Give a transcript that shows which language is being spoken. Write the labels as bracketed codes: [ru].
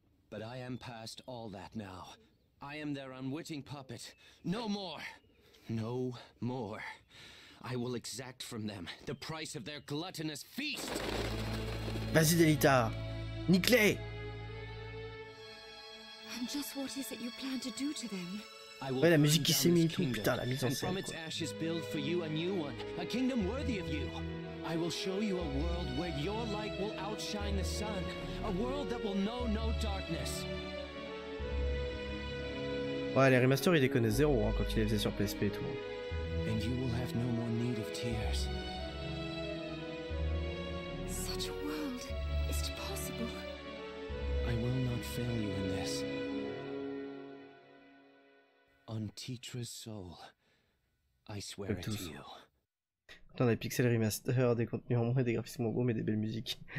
[en] But I am past all that now. I am their unwitting puppet. No more! No more. I will exact from them the price of their gluttonous feast! [fr] Vas-y, Delita! Nique-les! [en] And just what is it you plan to do to them? [fr] Ouais, la musique qui s'est mise, putain, la mise en scène, quoi. [en] And from its ashes build for you a new one, a kingdom worthy of you. I will show you a world where your light will outshine the sun, a world that will know no darkness. [fr] Ouais, les remasters, ils déconnaient zéro hein, quand ils les faisaient sur PSP et tout. [en] And you will have no more need of tears. Such a world, is it possible? I will not fail you in this. On Teetra's soul, I swear it to you. [fr] Dans des pixels remaster, des contenus en moins et des graphismes en gros, mais des belles musiques.